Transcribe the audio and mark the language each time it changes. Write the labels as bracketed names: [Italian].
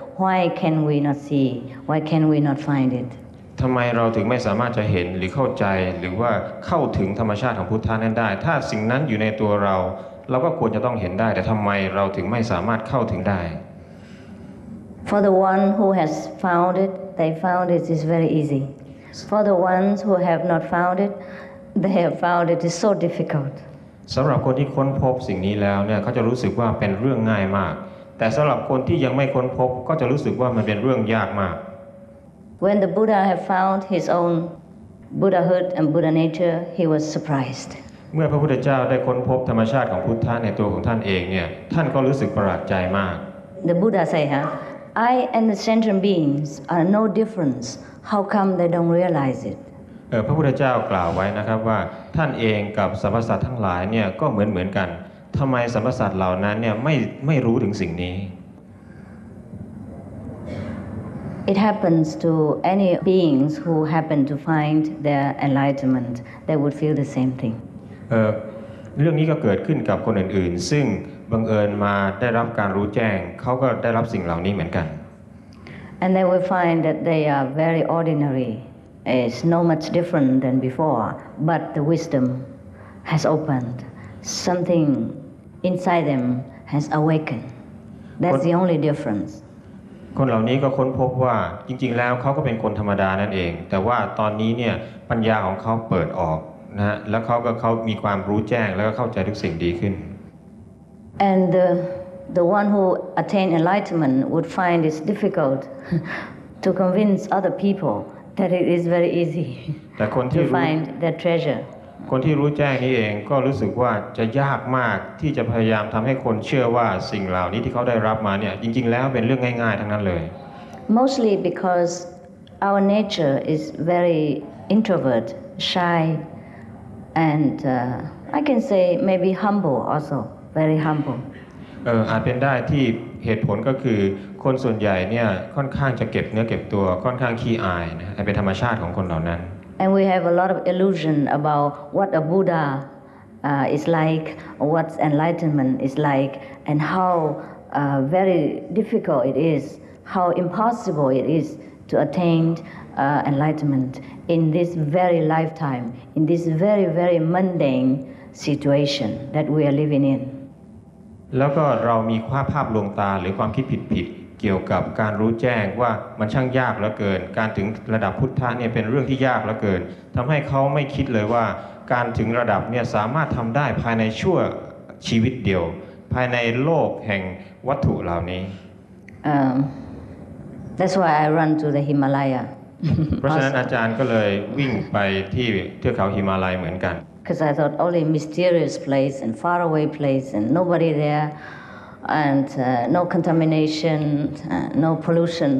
[English] Why can we not see? Why can we not find it? [Thai] ทำไมเราถึงไม่สามารถจะเห็นหรือเข้าใจหรือว่าเข้าถึงธรรมชาติของพุทธะนั้นได้ถ้าสิ่งนั้นอยู่ในตัวเราเราก็ควรจะต้องเห็นได้แต่ทำไมเราถึงไม่สามารถเข้าถึงได้ [English] For the one who has found it they found it is very easy For the ones who have not found it they have found it is so difficult [Thai] สำหรับคนที่ค้นพบสิ่งนี้แล้วเนี่ยเขาจะรู้สึกว่าเป็นเรื่องง่ายมากแต่สำหรับคนที่ยังไม่ค้นพบก็จะรู้สึกว่ามันเป็นเรื่องยากมาก [English] When the Buddha had found his own Buddhahood and Buddha nature, he was surprised. [Thai] เมื่อพระพุทธเจ้าได้ค้นพบธรรมชาติของพุทธะในตัวของท่านเองเนี่ยท่านก็รู้สึกประหลาดใจมาก [English] The Buddha say, "Huh, I and the sentient beings are no difference. How come they don't realize it?" [Thai] พระพุทธเจ้ากล่าวไว้นะครับว่าท่านเองกับสรรพสัตว์ทั้งหลายเนี่ยก็เหมือนกันทำไมสรรพสัตว์เหล่านั้นเนี่ยไม่รู้ถึงสิ่งนี้ [English] It happens to any beings who happen to find their enlightenment. They would feel the same thing. [Thai] เรื่องนี้ก็เกิดขึ้นกับคนอื่นๆซึ่งบังเอิญมาได้รับการรู้แจ้งเขาก็ได้รับสิ่งเหล่านี้เหมือนกัน [English] And they will find that they are very ordinary. It's no much different than before. But the wisdom has opened. something inside them has awakened. That's the only difference. [Thai] คนเหล่านี้ก็ค้นพบว่าจริงๆแล้วเขาก็เป็นคนธรรมดานั่นเองแต่ว่าตอนนี้เนี่ยปัญญาของเขาเปิดออกนะแล้วเขามีความรู้แจ้งแล้วก็เข้าใจทุกสิ่งดีขึ้น [English] And the one who attained enlightenment would find it difficult to convince other people that it is very easy to find that treasure. [Thai] คนที่รู้แจ้งนี้เองก็รู้สึกว่าจะยากมากที่จะพยายามทำให้คนเชื่อว่าสิ่งเหล่านี้ที่เขาได้รับมาเนี่ยจริงๆแล้วเป็นเรื่องง่ายๆทั้งนั้นเลย [English] Mostly because our nature is very introvert, shy, and I can say maybe humble also. Very humble. [Thai] อาจเป็นได้ที่เหตุผลก็คือคนส่วนใหญ่เนี่ยค่อนข้างจะเก็บเนื้อเก็บตัวค่อนข้างขี้อายนะเป็นธรรมชาติของคนเหล่านั้น [English] And we have a lot of illusion about what a Buddha is like, what enlightenment is like, and how very difficult it is, how impossible it is to attain enlightenment in this very lifetime, in this very very mundane. Situation that we are living in. [Thai] แล้วก็เรามีภาพลวงตาหรือความคิดผิดๆเกี่ยวกับการรู้แจ้งว่ามันช่างยากเหลือเกินการถึงระดับพุทธะเนี่ยเป็นเรื่องที่ยากเหลือเกินทำให้เขาไม่คิดเลยว่าการถึงระดับเนี่ยสามารถทำได้ภายในชั่วชีวิตเดียวภายในโลกแห่งวัตถุเหล่านี้ [English] That's why I run to the Himalaya. [Thai] เพราะฉะนั้นอาจารย์ก็เลยวิ่งไปที่เทือกเขาหิมาลัยเหมือนกัน [English] Because I thought only mysterious place and far away place and nobody there, and no contamination, no pollution.